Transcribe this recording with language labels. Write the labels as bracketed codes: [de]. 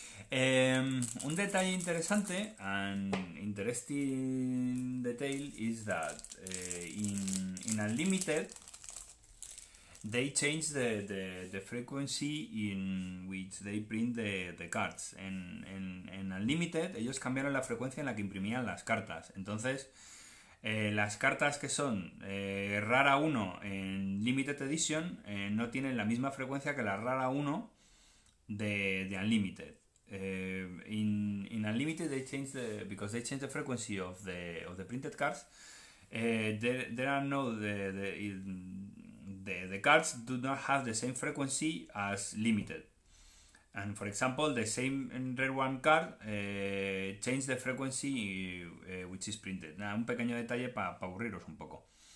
[es] Un detalle interesante, [en] an interesting detail, is that in Unlimited, They change the frequency in which they print the cards. [es] En Unlimited, ellos cambiaron la frecuencia en la que imprimían las cartas. Entonces, las cartas que son rara 1 en Limited Edition no tienen la misma frecuencia que la rara 1 de Unlimited. [en] In Unlimited, they change the, because they change the frequency of the printed cards, there are no the cards do not have the same frequency as limited. And for example, the same red one card change the frequency which is printed. [es] Nada, un pequeño detalle para pa aburriros un poco.